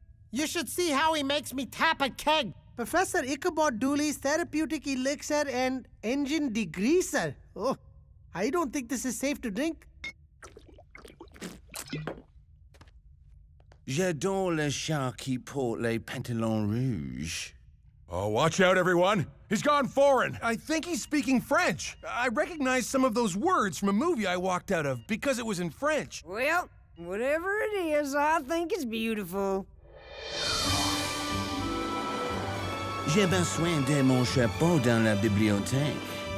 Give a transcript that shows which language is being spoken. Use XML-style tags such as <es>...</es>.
<en>You should see how he makes me tap a keg. Professor Ichabod Dooley's therapeutic elixir and engine degreaser. Oh. I don't think this is safe to drink.</en> <fr>J'adore le char qui porte les pantalons rouges.</fr> <en>Oh, watch out, everyone! He's gone foreign! I think he's speaking French. I recognize some of those words from a movie I walked out of because it was in French. Well, whatever it is, I think it's beautiful.</en> <fr>J'ai besoin de mon chapeau dans la bibliothèque.</fr>